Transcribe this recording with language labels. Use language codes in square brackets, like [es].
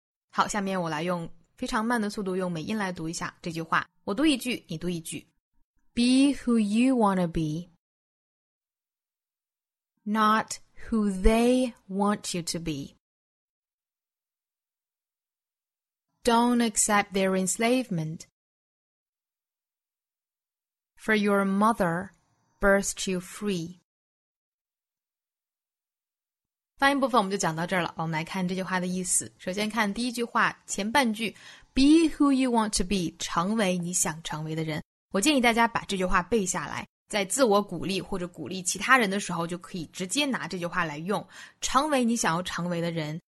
[zh] 好，下面我来用非常慢的速度用美音来读一下这句话，我读一句你读一句。 [en] Be who you wanna be, not who they want you to be. Don't accept their enslavement, for your mother burst you free. [zh] 发音部分我们就讲到这儿了，我们来看这句话的意思。首先看第一句话，前半句 Be who you want to be, 成为你想成为的人。我建议大家把这句话背下来，在自我鼓励或者鼓励其他人的时候，就可以直接拿这句话来用，成为你想要成为的人。